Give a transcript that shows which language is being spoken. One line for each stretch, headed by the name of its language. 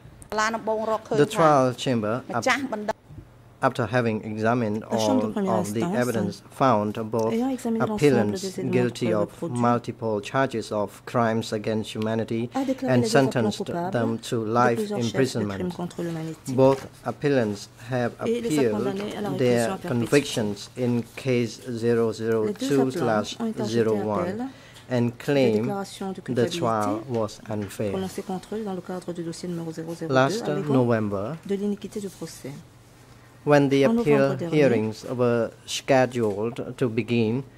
English: The trial chamber, after having examined all of the evidence, found both appellants guilty of multiple charges of crimes against humanity and sentenced them to life imprisonment. Both appellants have appealed their convictions in case 002/01. And claim the trial was unfair.
French: Prononcée contre eux dans le cadre du dossier numéro 002
English: last November,
French: de l'iniquité du procès.
English: When the appeal hearings were scheduled to begin,